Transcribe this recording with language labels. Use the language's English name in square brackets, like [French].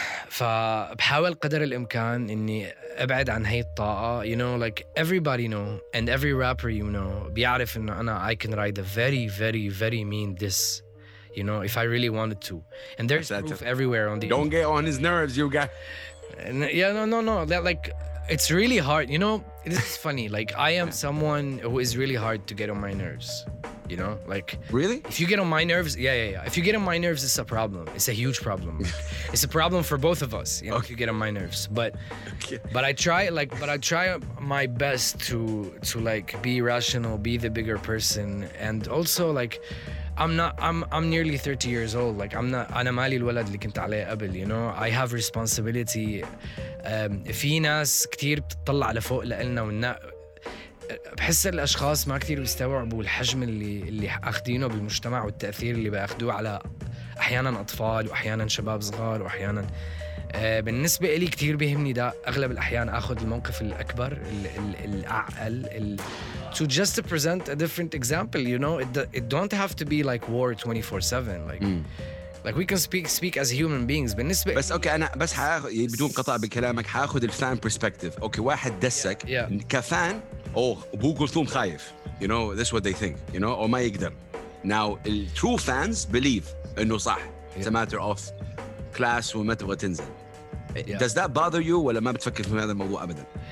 [Arabic] فبحاول قدر الإمكان إني أبعد عن هاي الطاقة. [English] You know, like everybody know and every rapper you know [Arabic] بيعرف إنه أنا [English] I can write a very very very mean diss. You know, if I really wanted to. And there's proof everywhere on the Don't get on his nerves, you guys. Yeah, no. That, like, it's really hard. You know, this is funny. Like, I am someone who is really hard to get on my nerves. You know, like... Really? If you get on my nerves... Yeah. If you get on my nerves, it's a problem. It's a huge problem. It's a problem for both of us, you know, if you get on my nerves. But I try my best to like, be rational, be the bigger person. And also, like... I'm nearly 30 years old. Like I'm not. [Arabic] أنا مالي الولد اللي كنت عليه قبل. [English] You know, I have responsibility. [Arabic] في ناس كتير بتطلع لفوق لقلنا ونا. بحس الأشخاص ما كتير بيستوعبوا الحجم اللي أخدينه بالمجتمع والتأثير اللي بأخدوه على أحياناً أطفال وأحياناً شباب صغار وأحياناً. بالنسبة لي كتير بيهمني ده أغلب الأحيان أخذ الموقف الأكبر الأعقل [English] to just to present a different example, you know, it don't have to be like war 24/7, like we can speak as human beings. [Arabic] بالنسبة بس أوكي أنا بس بدون قطع بكلامك هاخد الفان perspective. أوكي واحد دسك كفان أبو كلثوم خايف, [English] you know, that's what they think, you know, [Arabic] or ما يقدر. [English] Now true fans believe [Arabic] إنه صح. [English] It's a matter of class [Arabic] وما تبغى تنزل. [English] Does that bother you [Arabic] ولا ما بتفكر في هذا الموضوع أبداً؟